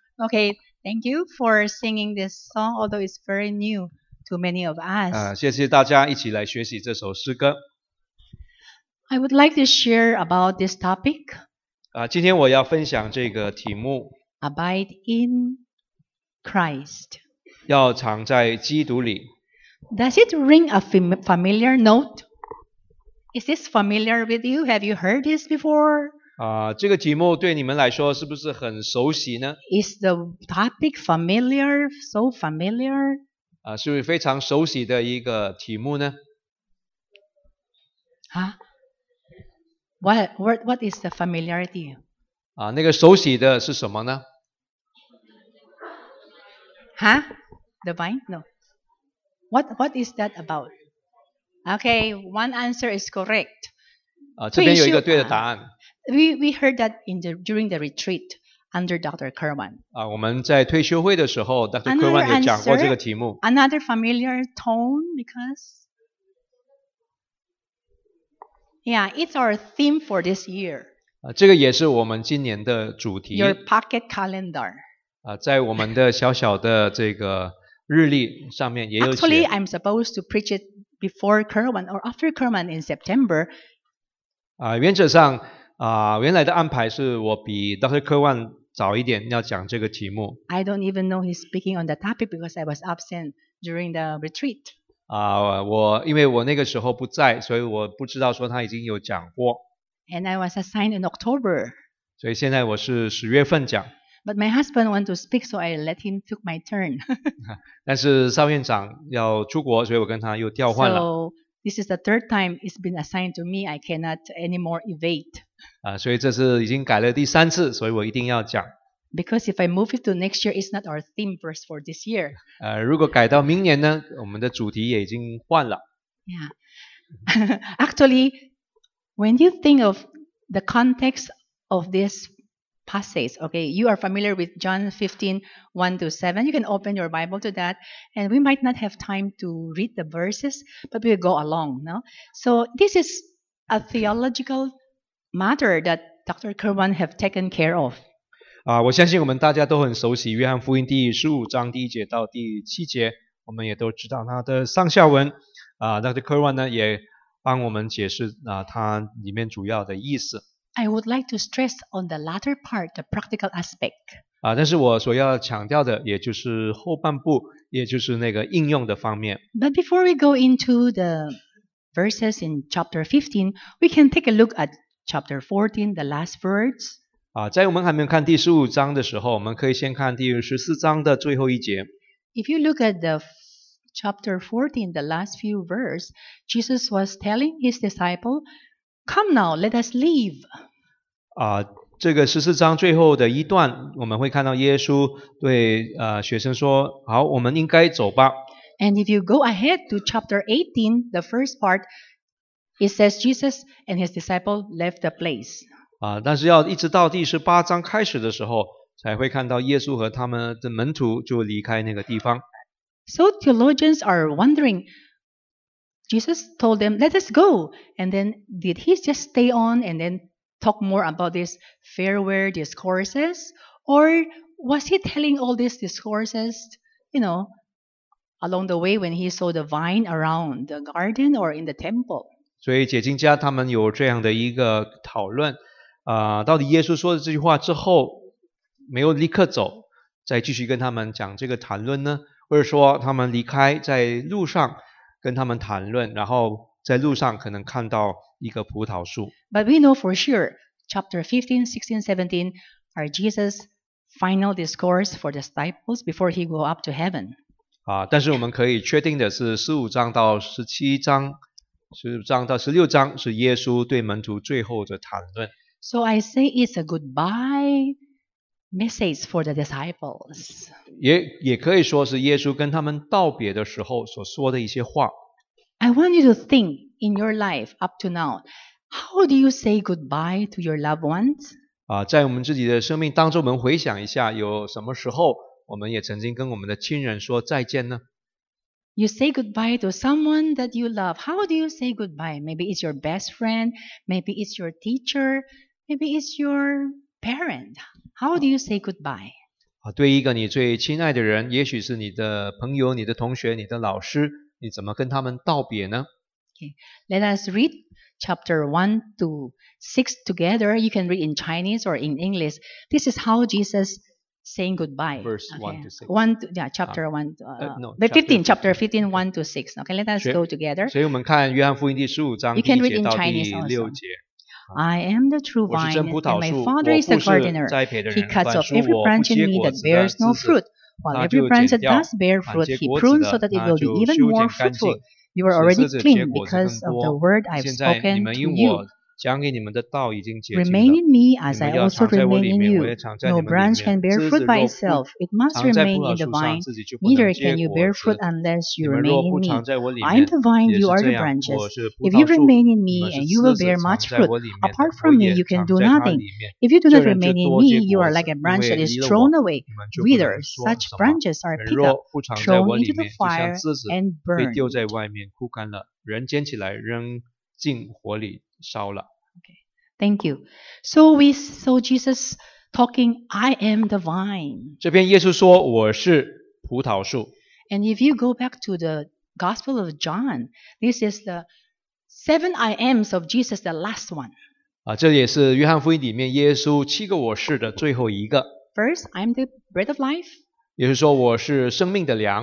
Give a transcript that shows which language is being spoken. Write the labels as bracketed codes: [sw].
[en] Okay, thank you for singing this song, although it's very new to many of us. [zh] 谢谢大家一起来学习这首诗歌。 [en] I would like to share about this topic. [zh] 今天我要分享这个题目。 [en] Abide in Christ. [zh] 要藏在基督里。 [en] Does it ring a familiar note? Is this familiar with you? Have you heard this before? [zh] 这个题目对你们来说是不是很熟悉呢？ [en] Is the topic familiar? So familiar? [zh] 是不是非常熟悉的一个题目呢？ [en] What is the familiarity? [zh] 那个熟悉的是什么呢？ [en] The vine? No. What is that about? Okay, one answer is correct. [zh] 这边有一个对的答案。 [en] We heard that during the retreat under Dr. Kerwan. [zh] 我们在退休会的时候 ，Dr. Kerwan 也讲过这个题目。 [en] Another familiar tone because yeah, it's our theme for this year. [zh] 这个也是我们今年的主题。 [en] Your pocket calendar. [zh] 在我们的小小的这个。日历上面也有写。 [en] Actually, I'm supposed to preach it before Kerwan or after Kerwan in September. [zh] 原则上原来的安排是我比 Dr. Kerwan 早一点要讲这个题目。 [en] I don't even know he's speaking on the topic because I was absent during the retreat. [zh] 因为我那个时候不在，所以我不知道说他已经有讲过。 [en] And I was assigned in October. [zh] 所以现在我是十月份讲。 [en] But my husband wanted to speak, so I let him took my turn. [zh] 但是邵院长要出国，所以我跟他又调换了。 [en] So, this is the third time it's been assigned to me. I cannot anymore evade. [zh] 所以这是已经改了第三次，所以我一定要讲。 [en] Because if I move it to next year, it's not our theme verse for this year. [zh] 如果改到明年呢，我们的主题也已经换了。 [en] Yeah. Actually, when you think of the context of this passage, okay, you are familiar with John 15:1-7. You can open your Bible to that, and we might not have time to read the verses, but we'll go along, no? So this is a theological matter that Dr. Kerwan have taken care of. [zh] 我相信我们大家都很熟悉约翰福音第十五章第一节到第七节，我们也都知道它的上下文。 Dr. Kerwan 呢也帮我们解释它里面主要的意思。 [en] I would like to stress on the latter part, the practical aspect. [zh] 但是我所要强调的也就是后半部，也就是那个应用的方面。 [en] But before we go into the verses in chapter 15, we can take a look at chapter 14, the last words. [zh] 在我们还没有看第十五章的时候，我们可以先看第十四章的最后一节。 [en] If you look at the chapter 14, the last few verses, Jesus was telling his disciple,Come now, let us leave. [zh] 这个十四章最后的一段，我们会看到耶稣对学生说，好，我们应该走吧。 [en] And if you go ahead to chapter 18, the first part, it says Jesus and his disciples left the place. [zh] 但是要一直到第十八章开始的时候，才会看到耶稣和他们的门徒就离开那个地方。 [en] So theologians are wondering,Jesus told them, let us go. And then did he just stay on and then talk more about these farewell discourses? Or was he telling all these discourses, you know, along the way when he saw the vine around the garden or in the temple? [zh] 所以解经家他们有这样的一个讨论。到底耶稣说的这句话之后没有立刻走，再继续跟他们讲这个谈论呢？或者说他们离开在路上跟他们谈论，然后在路上可能看到一个葡萄树。 [en] But we know for sure, chapter 15, 16, 17 are Jesus' final discourse for the disciples before he go up to heaven. [zh] 但是我们可以确定的是15章到16章是耶稣对门徒最后的谈论。 [en] So I say it's a goodbye message for the disciples. [zh] 也可以说是耶稣跟他们道别的时候所说的一些话。 [en] I want you to think in your life up to now, how do you say goodbye to your loved ones? [zh] 在我们自己的生命当中，我们回想一下，有什么时候我们也曾经跟我们的亲人说再见呢？ [en] You say goodbye to someone that you love. How do you say goodbye? Maybe it's your best friend, maybe it's your teacher, maybe it's your parent. How do you say goodbye? [zh] 对一个你最亲爱的人，也许是你的朋友、你的同学、你的老师。你怎么跟他们道别呢？ [en] Okay. Let us read chapter 1 to 6 together. You can read in Chinese or in English. This is how Jesus saying goodbye. Verse 1 to 6. Chapter 15, 1 to 6. Okay, let us go together. [zh] 所以我们看约翰福音第十五章第一节到第六节。 [en] I am the true vine, and my Father is the gardener. He cuts off every branch in me that bears no fruit. While every branch that does bear fruit, he prunes so that it will be even more fruitful. You are already clean because of the word I've spoken to you. Remain in me as I also remain in you. No branch can bear fruit by itself. It must remain in the vine. Neither can you bear fruit unless you remain in me. I am the vine, you are the branches. If you remain in me and you will bear much fruit, apart from me, you can do nothing. If you do not remain in me, you are like a branch that is thrown away, withers. Such branches are picked up, thrown into the fire and burned. [zh] 烧了。 [en] Okay, thank you. So we saw Jesus talking, I am the vine. [zh] 这边耶稣说我是葡萄树。 [en] And if you go back to the Gospel of John, this is the Seven I am's of Jesus, the last one. [zh] 啊，这也是约翰福音里面耶稣七个我是的最后一个。 [en] First, I'm the bread of life. [zh] 也就是说，我是生命的粮。